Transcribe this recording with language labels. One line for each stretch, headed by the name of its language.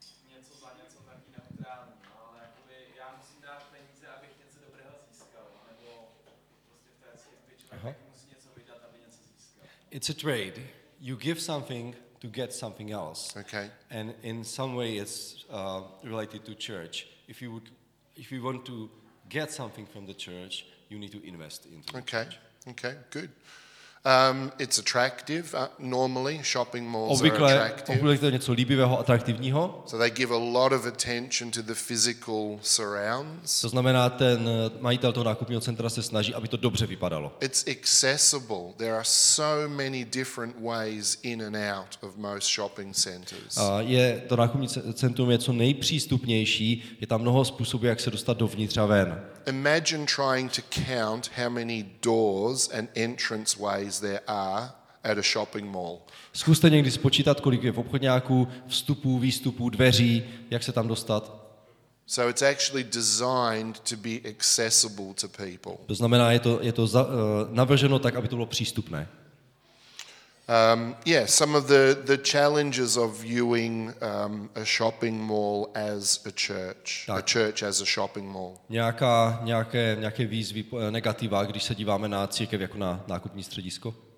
Czech: Něco za něco taky neutrální, ale jakoby já musím dát peníze, abych něco dobrého získal, nebo prostě v té církvi člověk musí něco vydat, aby něco získal.
English: It's a trade. You give something to get something else. Okay. And in some way it's related to church. If you want to get something from the church, you need to invest into the church. Okay, good. It's attractive, normally shopping malls
Czech: obvykle,
English: are attractive.
Czech: Obvykle to něco líbivého, atraktivního.
English: So they give a lot of attention to the physical surrounds.
Czech: To znamená, ten majitel toho nákupního centra se snaží, aby to dobře vypadalo.
English: It's accessible. There are so many different ways in and out of most shopping centers.
Czech: Je to nákupní centrum je co nejpřístupnější, je tam mnoho způsobů, jak se dostat dovnitř a ven.
English: Imagine trying to count how many doors and entranceways there are at a shopping mall.
Czech: Zkuste někdy spočítat, kolik je v obchodňáku vstupů, výstupů, dveří, jak se tam dostat.
English: So it's actually designed to be accessible to people.
Czech: To znamená, je to navrženo tak, aby to bylo přístupné.
English: Some of the challenges of viewing a shopping mall as a church, tak. A church as a shopping mall.
Czech: Nějaké výzvy negativa, když se díváme na církev jako na nákupní středisko.